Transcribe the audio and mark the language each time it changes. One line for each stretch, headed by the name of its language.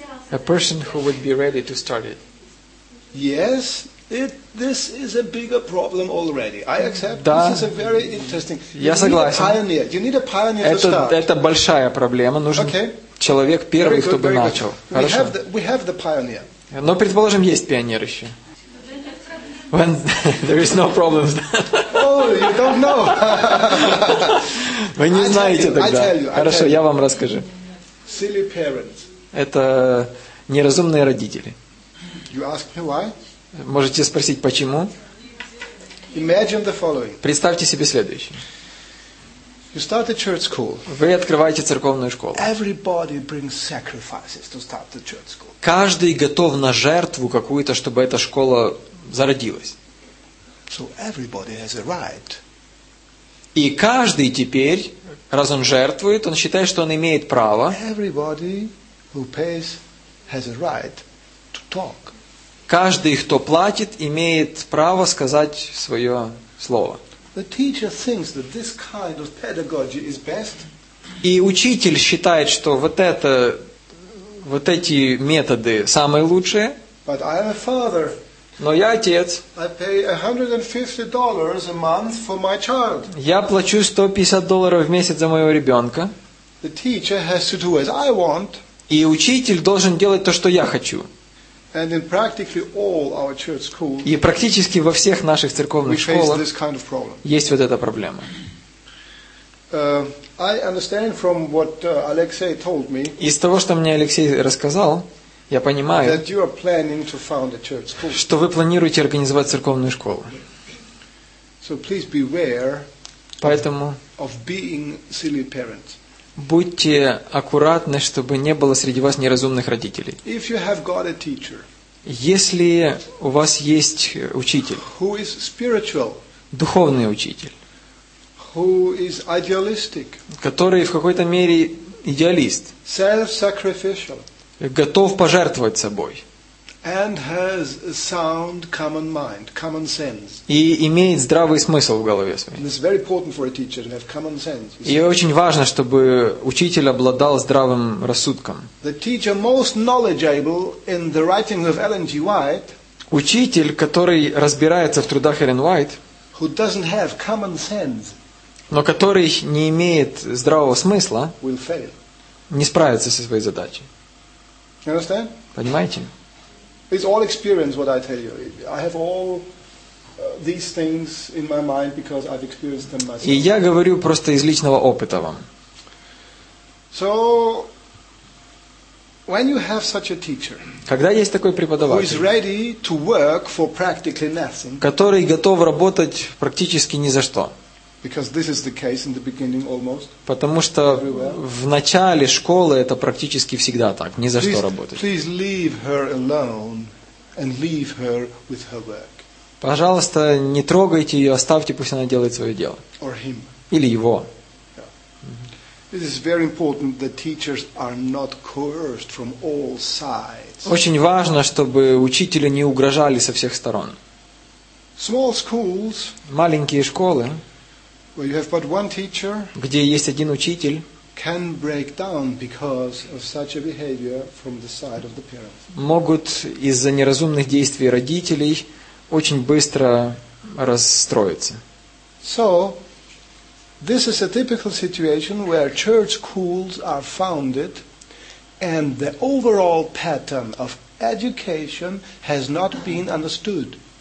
English: A person who would be ready to start it. Yes, this is a bigger problem already. I accept.
Russian: Да,
English: this is a very interesting.
Russian: Я согласен.
English: You need a pioneer. You need a pioneer to start.
Russian: Это большая проблема. Нужен человек первый, кто бы начал. Хорошо.
English: We have the pioneer.
Russian: Но, предположим, есть пионер еще.
English: When there is no problem. Oh, you don't know.
Russian: Вы не знаете тогда. Хорошо, я вам расскажу.
English: Silly parents.
Russian: Это неразумные родители.
English: You ask me why?
Russian: Можете спросить, почему?
English: Imagine the following.
Russian: Представьте себе следующее.
English: You start a church school.
Russian: Вы открываете церковную школу.
English: Everybody brings sacrifices to start the church school.
Russian: Каждый готов на жертву какую-то, чтобы эта школа зародилась.
English: So everybody has a right.
Russian: И каждый теперь, раз он жертвует, он считает, что он имеет право.
English: Everybody who pays has a right to talk.
Russian: Каждый, кто платит, имеет право сказать свое слово.
English: The teacher thinks that this kind of pedagogy is best.
Russian: И учитель считает, что вот эти методы самые лучшие.
English: But I am a father.
Russian: Но я отец.
English: I pay $150 a month for my child.
Russian: Я плачу $150 в месяц за моего ребенка.
English: The teacher has to do as I want.
Russian: И учитель должен делать то, что я хочу.
English: And in practically all our church schools,
Russian: и практически во всех наших церковных школах есть вот эта проблема.
English: I understand from what Alexei told me.
Russian: Из того, что мне Алексей рассказал, я понимаю,
English: that you are planning to found a church school.
Russian: Что вы планируете организовать церковную школу.
English: So please beware
Russian: поэтому
English: of being silly parents.
Russian: Будьте аккуратны, чтобы не было среди вас неразумных родителей.
English: If you have got a teacher,
Russian: если у вас есть учитель,
English: who is spiritual,
Russian: духовный учитель,
English: who is idealistic,
Russian: который в какой-то мере идеалист,
English: self-sacrificial,
Russian: готов пожертвовать собой,
English: and has a sound common mind, common sense.
Russian: И имеет здравый смысл в голове своей.
English: It's very important for a teacher to have common sense.
Russian: И очень важно, чтобы учитель обладал здравым рассудком.
English: The teacher most knowledgeable in the writings of Ellen G. White.
Russian: Учитель, который разбирается в трудах Эллен Уайт,
English: who doesn't have common sense,
Russian: но который не имеет здравого смысла,
English: will fail.
Russian: Не справится со своей задачей.
English: You understand?
Russian: Понимаете?
English: It's all experience what I tell you. I have all these things in my mind because I've experienced them myself.
Russian: И я говорю просто из личного опыта вам.
English: So when you have such a teacher,
Russian: когда есть такой преподаватель,
English: who is ready to work for practically nothing,
Russian: который готов работать практически ни за что.
English: Because this is the case in the beginning almost.
Russian: Потому что в начале школы это практически всегда так, ни за что работать.
English: Please leave her alone and leave her with her work.
Russian: Пожалуйста, не трогайте ее, оставьте, пусть она делает свое дело.
English: Or him.
Russian: Или его.
English: It is very important that teachers are not coerced from all sides.
Russian: Очень важно, чтобы учителя не угрожали со всех сторон.
English: Small schools.
Russian: Маленькие школы.
English: Where you have but one teacher,
Russian: где есть один учитель,
English: can break down because of such a behavior from the side of the parents.
Russian: Могут из-за неразумных действий родителей очень быстро расстроиться.
English: So, this is a typical situation where church schools are founded, and the overall pattern of education has not been understood.